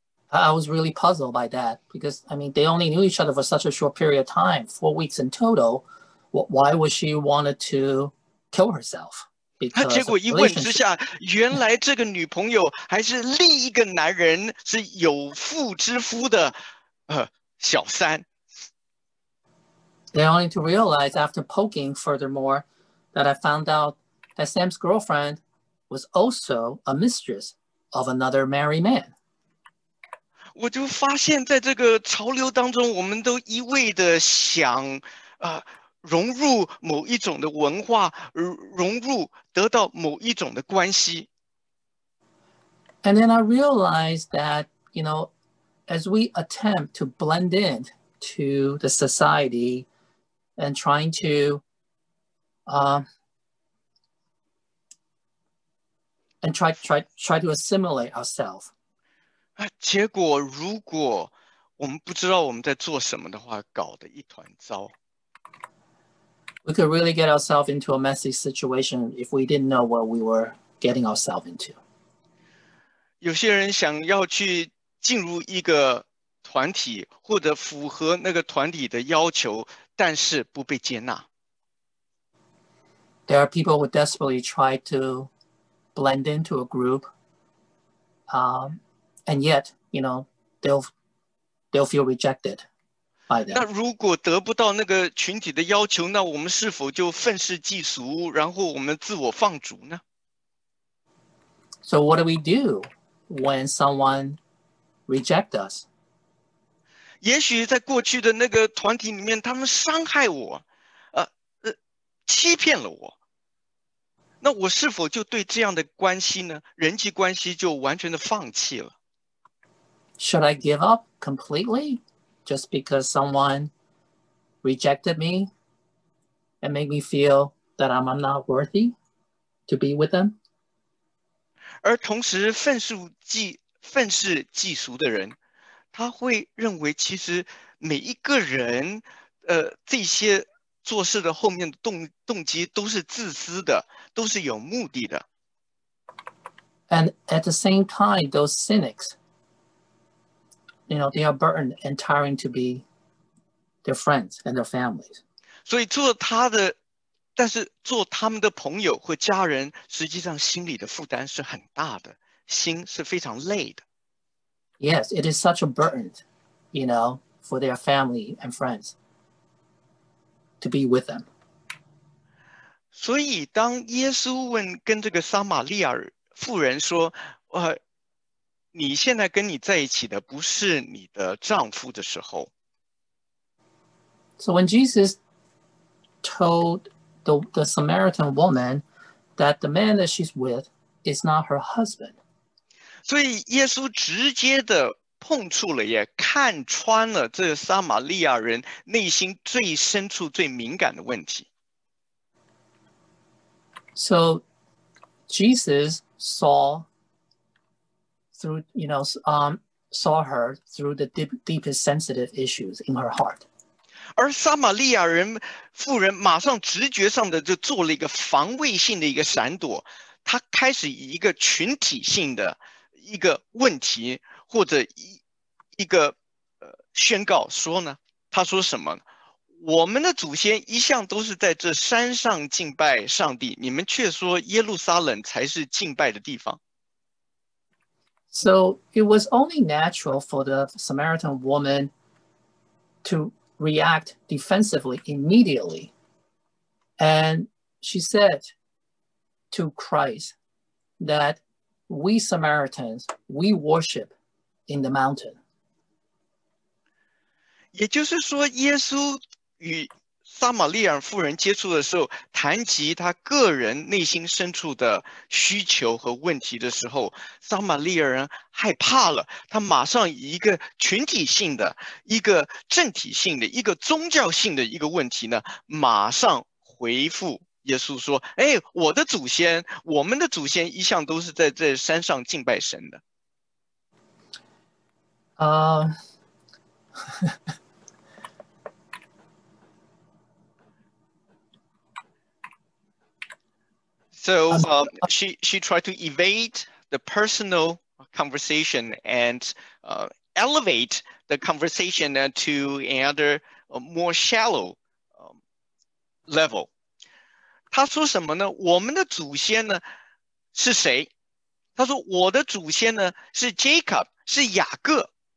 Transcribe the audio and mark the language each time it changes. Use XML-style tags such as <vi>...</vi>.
<en>I was really puzzled by that because, I mean, they only knew each other for such a short period of time, 4 weeks in total. Why would she wanted to kill herself?</en> <zh>他结</zh> <en>Because</en> <zh>果</zh> <en>of</en> <zh>一问之下，原来这个女朋友还是另一个男人，是有妇之夫的，小三。</zh> <en>they only to realize after poking furthermore that I found out that Sam's girlfriend was also a mistress of another married man.</en> <zh>我就发现，在这个潮流当中，我们都一味的想，融入某一种的文化，融入得到某一种的关系。</zh> <en>And then I realized that, you know, as we attempt to blend in to the society and trying to and try to assimilate ourselves.</en> <zh>啊，结果如果我们不知道我们在做什么的话，搞得一团糟。</zh> <en>We could really get ourselves into a messy situation if we didn't know what we were getting ourselves into.</en> <zh>有些人想要去进入一个团体，或者符合那个团体的要求，但是不被接纳。</zh> <en>There are people who desperately try to blend into a group, and yet, you know, they'll feel rejected by them.</en> <zh>那如果得不到那个群体的要求，那我们是否就愤世嫉俗，然后我们自我放逐呢？</zh> <en>So what do we do when someone reject us?</en> <zh>也许在过去的那个团体里面，他们伤害我，欺骗了我，那我是否就对这样的关系呢，人际关系就完全的放弃了？</zh> <en>Should I give up completely just because someone rejected me and made me feel that I'm not worthy to be with them?</en> <zh>而同时，愤世嫉俗的人，他会认为其实每一个人，这些做事的后面的动机都是自私的，都是有目的的。</zh> <en>And at the same time, those cynics, you know, they are burdened and tiring to be their friends and their families.</en> <zh>所以做他的，但是做他们的朋友或家人，实际上心里的负担是很大的，心是非常累的。</zh> <en>Yes, it is such a burden, you know, for their family and friends to be with them.</en> <zh>所以当耶稣问跟这个撒玛利亚妇人说，你现在跟你在一起的不是你的丈夫的时候。</zh> <en>So when Jesus told the Samaritan woman that the man that she's with is not her husband.</en> <zh>所以耶稣直接的碰触了，也看穿了这撒玛利亚人内心最深处最敏感的问题。</zh> <en>So Jesus saw her through the deepest sensitive issues in her heart.</en> <zh>而撒玛利亚人妇人马上直觉上的就做了一个防卫性的一个闪躲，她开始以一个群体性的一个问题或者一个宣告说呢，她说什么呢？我们的祖先一向都是在这山上敬拜上帝，你们却说耶路撒冷才是敬拜的地方。</zh> <en>So it was only natural for the Samaritan woman to react defensively immediately. And she said to Christ that we Samaritans, we worship in the mountain.</en> <zh>也就是说，耶稣与撒玛利亚妇人接触的时候，谈及他个人内心深处的需求和问题的时候，撒玛利亚人害怕了，他马上以一个群体性的、一个政体性的、一个宗教性的一个问题呢，马上回复耶稣说：“哎，我的祖先，我们的祖先一向都是在山上敬拜神的。”</zh> <en>So she tried to evade the personal conversation and elevate the conversation to another more shallow level.</en> <zh>她说什么呢？我们的祖先呢是谁？她说我的祖先呢是 Jacob， 是雅各。</zh>